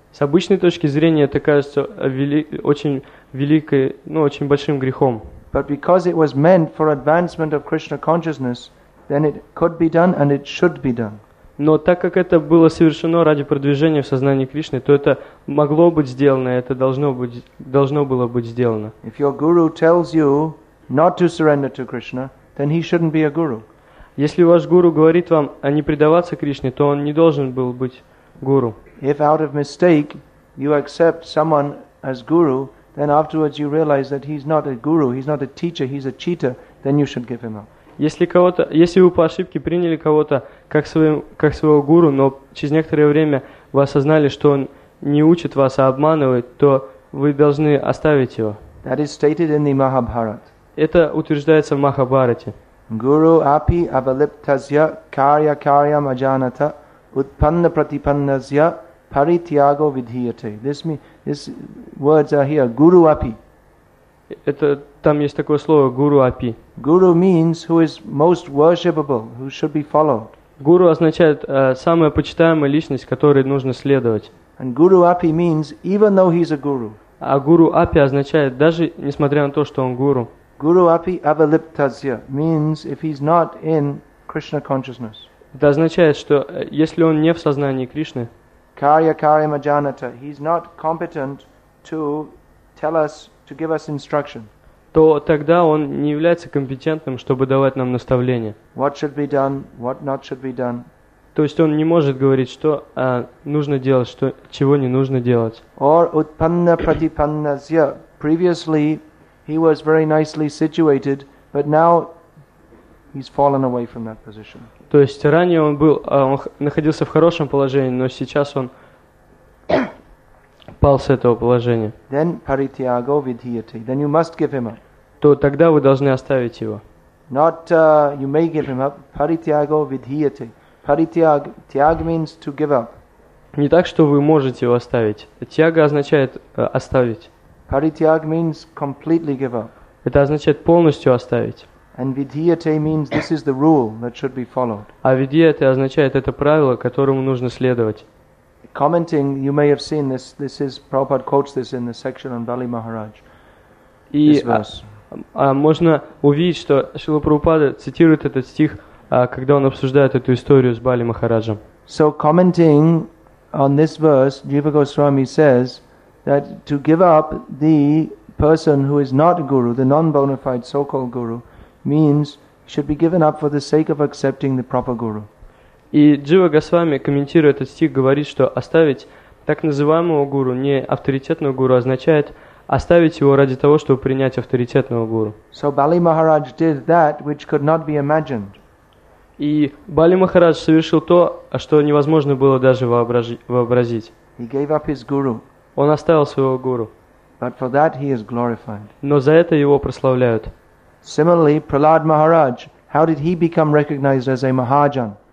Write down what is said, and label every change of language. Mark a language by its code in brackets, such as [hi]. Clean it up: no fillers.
[ru] С обычной точки зрения, это кажется очень большим грехом. [en] But because it was meant for advancement of Krishna consciousness, then it could be done and it should be done. [ru] Но так как это было совершено ради продвижения в сознании Кришны, то это могло быть сделано, это должно было быть сделано. [en] If your guru tells you not to surrender to Krishna, then he shouldn't be a guru. [ru] Если ваш гуру говорит вам о не предаваться Кришне, то он не должен был быть гуру. [en] If out of mistake you accept someone as guru, then afterwards you realize that he's not a guru, he's not a teacher, he's a cheater, then you should give him up. [ru] Если вы по ошибке приняли кого-то как своего гуру, но через некоторое время вы осознали, что он не учит вас, а обманывает, то вы должны оставить его. [en] That is stated in the Mahabharata. [ru] Это утверждается в Махабхарате. [sa] Guru api avaliptasya karya karyam ajanata utpanna pratipannasya paritiago vidhiyate. [en] This words are here. [sa] Guru api. [ru] Это там есть такое слово [sa] guru api. [en] Guru means who is most worshipable, who should be followed. [ru] Guru означает самая почитаемая личность, которой нужно следовать. [en] And [sa] guru api [en] means even though he's a guru. [ru] А [sa] guru api [ru] означает даже несмотря на то, что он гуру. [sa] Guru api avaliptasya [en] means if he's not in Krishna consciousness. [ru] Это означает, что если он не в сознании Кришны. [sa] Karya karya majanata, [en] he's not competent to tell us, to give us instruction. [ru] То тогда он не является компетентным, чтобы давать нам наставления. [en] What should be done, what not should be done. [ru] То есть он не может говорить, что нужно делать, что чего не нужно делать. [en] Or [sa] utpanna pratipannasya, [en] previously he was very nicely situated, but now he's fallen away from that position. [ru] То есть ранее он был, он находился в хорошем положении, но сейчас он пал с этого положения. [en] Then [sa] paritiago vidhiyate. [en] Then you must give him up. [ru] То тогда вы должны оставить его. [en] Not you may give him up. [sa] Paritiago vidhiyate. [en] Paritiag, tiag means to give up. [ru] Не так, что вы можете его оставить. Тяга означает оставить. [en] Paritiag means completely give up. [ru] Это означает полностью оставить. [en] And vidhiyate means this is the rule that should be followed. [ru] А vidhiyate означает это правило, которому нужно следовать. [en] Commenting, you may have seen this. This is Prabhupada quotes this in the section on Bali Maharaj. [ru] И можно увидеть, что Шрила Прабхупада цитирует этот стих, когда он обсуждает эту историю с Бали Махараджем. [en] So commenting on this verse, Jiva Goswami says that to give up the person who is not a guru, the non-bona fide so-called guru, means should be given up for the sake of accepting the proper guru. [ru] И Джива Госвами, комментируя этот стих, говорит, что оставить так называемого гуру, не авторитетного гуру, означает оставить его ради того, чтобы принять авторитетного гуру. [en] So Bali Maharaj did that which could not be imagined. [ru] И Бали Махарадж совершил то, что невозможно было даже вообразить. [en] He gave up his guru. [ru] Он оставил своего гуру. [en] But for that he is glorified. [ru] Но за это его прославляют. [en] Similarly, Prahlad Maharaj, how did he become recognized as a Mahajan?